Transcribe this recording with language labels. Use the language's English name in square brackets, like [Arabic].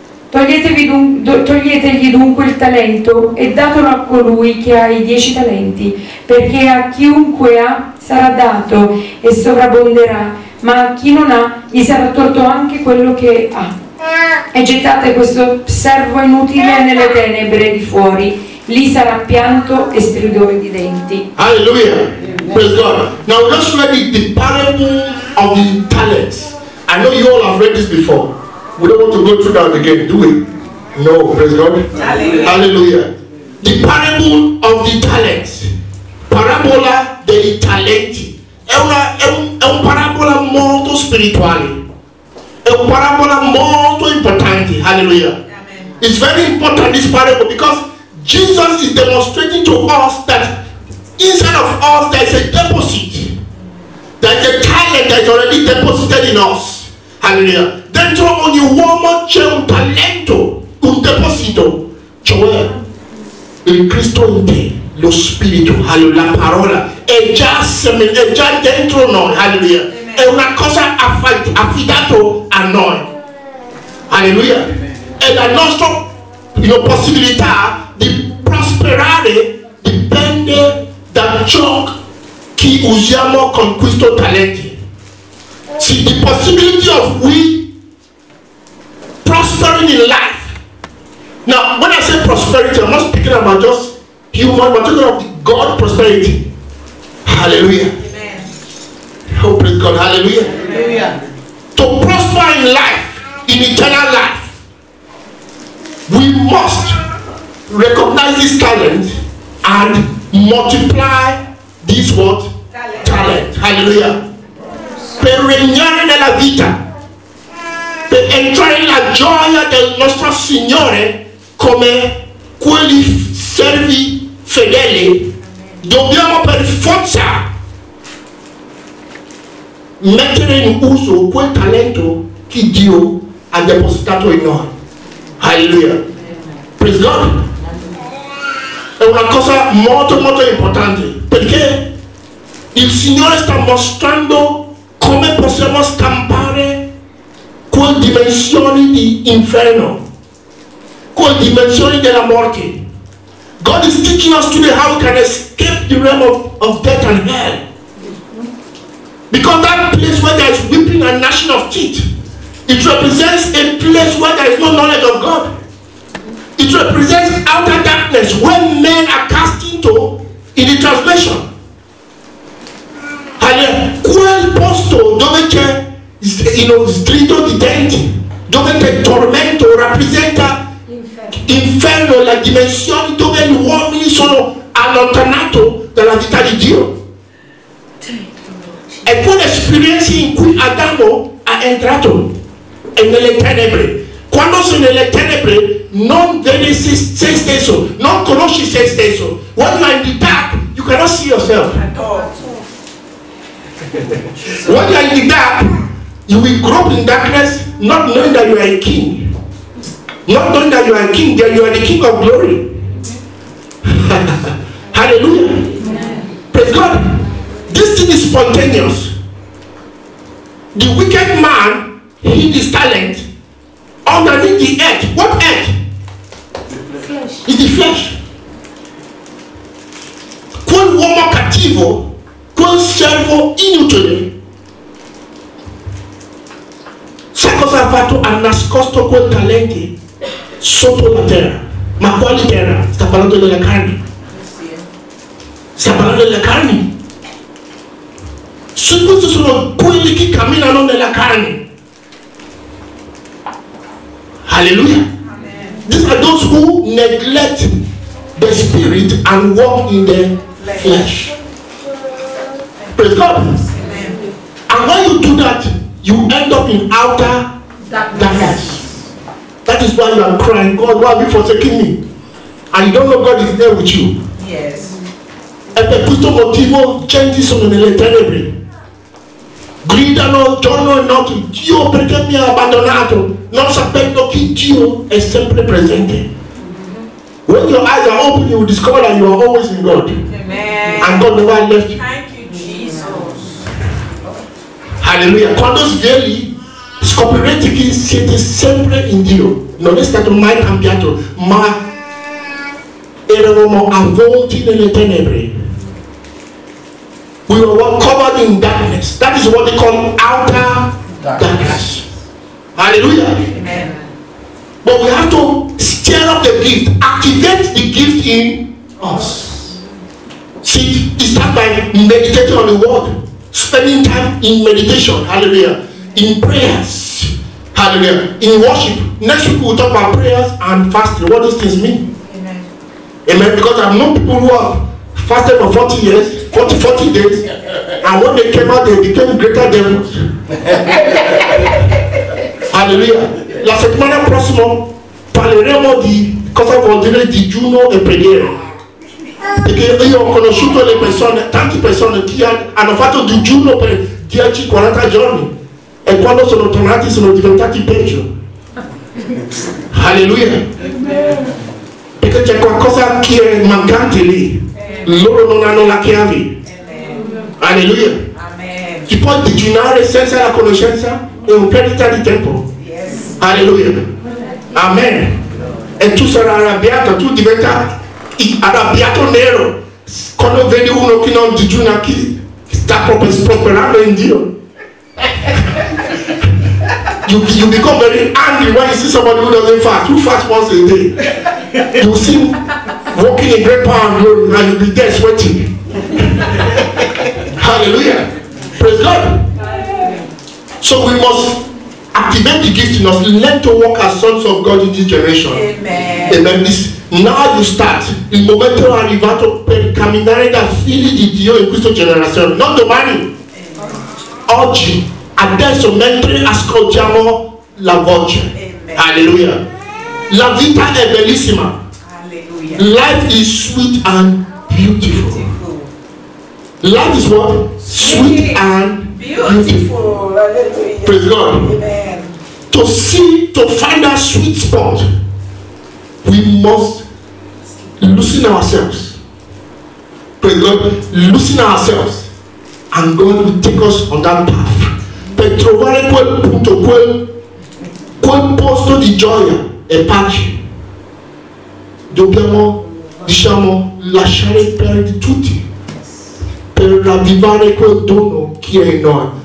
[Italian] Toglietegli dunque il talento e datelo a colui che ha i 10 talenti, perché a chiunque ha sarà dato e sovrabbonderà, ma a chi non ha gli sarà tolto anche quello che ha. E gettate questo servo inutile nelle tenebre di fuori, lì sarà pianto e stridore di denti. [English] Alleluia. Praise God. Now just read the parable of the talents. I know you all have read this before. We don't want to go through that again, do we? No, praise God. Hallelujah. The parable of the talents. [Italian] Parabola dei talenti. È un parabola molto spirituale. È un parabola molto importante. Hallelujah. Amen. [English] It's very important, this parable, because Jesus is demonstrating to us that inside of us there is a deposit. There is a talent that is already deposited in us. Hallelujah. [Italian] Dentro ogni uomo c'è un talento, un deposito, cioè il Cristo in te, lo Spirito, la parola, è già dentro noi, alleluia. È una cosa affidato a noi, alleluia. È la nostra possibilità di prosperare, dipende da ciò che usiamo con questo talento. [English] See, the possibility of we prospering in life. Now, when I say prosperity, I'm not speaking about just human, but talking about God prosperity. Hallelujah. Amen. Oh, praise God. Hallelujah. Hallelujah. To prosper in life, in eternal life, we must recognize this talent and multiply this what? Talent. Hallelujah. [Italian] Per regnare nella vita, per entrare nella gioia del nostro Signore come quelli servi fedeli, dobbiamo per forza mettere in uso quel talento che Dio ha depositato in noi. Alleluia. [English] Praise God. [Italian] È una cosa molto molto importante, perché il Signore sta mostrando come possiamo scampare quelle dimensioni di inferno, con dimensioni della morte. [English] God is teaching us today how we can escape the realm of death and hell. Because that place where there is weeping and gnashing of teeth, it represents a place where there is no knowledge of God. It represents outer darkness where men are cast into in the translation. [Italian] And quel posto dove c'è, [English] you know, [Italian] stretto di denti, dove c'è tormento, rappresenta inferno, la dimensione dove gli uomini sono allontanati dalla vita di Dio. È quell'esperienza in cui Adamo è entrato, è nelle tenebre. Quando sei nelle tenebre, non vedi se stesso, non conosci se stesso. [English] When you are in the dark, you cannot see yourself. When you are in the dark, you will grow up in darkness, not knowing that you are a king. Not knowing that you are a king, that you are the king of glory. Hallelujah. Amen. Praise God. This thing is spontaneous. The wicked man hid his talent underneath the earth. What earth? Flesh. It's the flesh. [Italian] Quel uomo cattivo, quel servo inutile. Sai cosa ha fatto? Ha nascosto quel talento sotto la terra. Ma quale terra? Sta parlando della carne. Sta parlando della carne. Su questo sono quelli che camminano nella carne. Alleluia. Amen. [English] These are those who neglect the spirit and walk in the flesh. Praise God. Amen. And when you do that, you end up in outer darkness. That is why you are crying, God, why are you forsaking me? And you don't know God is there with you. Yes. [Italian] E per questo motivo, gente sono nelle tenebre. Gridano, giorno e notte, Dio perché mi ha abbandonato? Non sapendo che Dio è sempre presente. Mm-hmm. [English] When your eyes are open, you will discover that you are always in God. Amen. And God never left you. Thank you, Jesus. Hallelujah. [Italian] Quando svegli, scoprirete che siete sempre in Dio. Non è stato mai cambiato, ma eravamo avvolti nelle tenebre. [English] We were covered in darkness. That is what they call outer darkness. Hallelujah. Amen. But we have to stir up the gift, activate the gift in us. See, it starts by meditating on the word, spending time in meditation. Hallelujah. In prayers. Hallelujah. In worship. Next week we'll talk about prayers and fasting. What those things mean? Amen. Amen. Because I've known people who have fasted for 40 years. 40 days, and when they came out, they became greater devils. Hallelujah. [Italian] La settimana prossima parleremo di cosa vuol dire digiuno e preghiera. Perché io ho conosciuto le persone, tante persone che hanno fatto digiuno per 10-40 giorni, e quando sono tornati sono diventati peggio. Hallelujah. Perché c'è qualcosa che è mancante lì. Loro non hanno la chiave. Alleluia. Amen. Chi può digiunare senza la conoscenza è un perdita di tempo. [English] Yes. [Italian] Alleluia. Amen. E tu sarai arrabbiato, tu diventerai arrabbiato nero quando vedi uno che non digiuna, che sta proprio sprofferando in Dio. [English] You become very angry when you see somebody who doesn't fast. Who fasts once a day? You see walking in great power and glory, and you'll be there sweating. Hallelujah. Praise God. So we must activate the gift in us. Learn to walk as sons of God in this generation. Amen. Amen. This, now you start. [Italian] Il momento è arrivato per camminare da figli di Dio in questa generazione. Non domani. Oggi. Adesso, mentre ascoltiamo la voce. Amen. Hallelujah. La vita è bellissima. Hallelujah. [English] Life is sweet and beautiful. Life is what? Sweet and beautiful. Hallelujah. Praise God. Amen. To see, to find that sweet spot, we must loosen ourselves. Praise God. Loosen ourselves. And God will take us on that path. [Italian] Per trovare quel punto, quel posto di gioia e pace. dobbiamo, diciamo, lasciare perdere tutti per ravvivare quel dono che è in noi.